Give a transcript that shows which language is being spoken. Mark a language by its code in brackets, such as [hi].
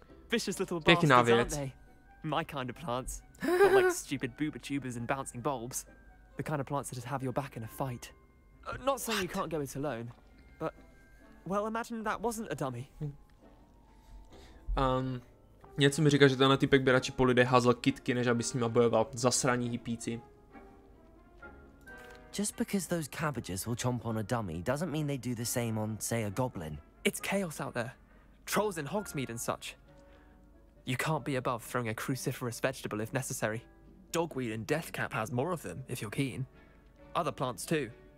[en] Vicious little bastards, aren't they? My kind of plants. Not like stupid booba tubers and bouncing bulbs. The kind of plants that have your back in a fight. Not saying what? You can't go it alone, but well, imagine that wasn't a dummy. [cs] Něco mi říká, že tenhle typek by radši po lidé házel kytky, než aby s nima bojoval. Zasraní hippíci. [en] Just because those cabbages will chomp on a dummy doesn't mean they do the same on, say, a goblin. It's chaos out there. Trolls in Hogsmeade and such. You can't be above throwing a cruciferous vegetable if necessary. Dogweed and Deathcap has more of them, if you're keen. Other plants too.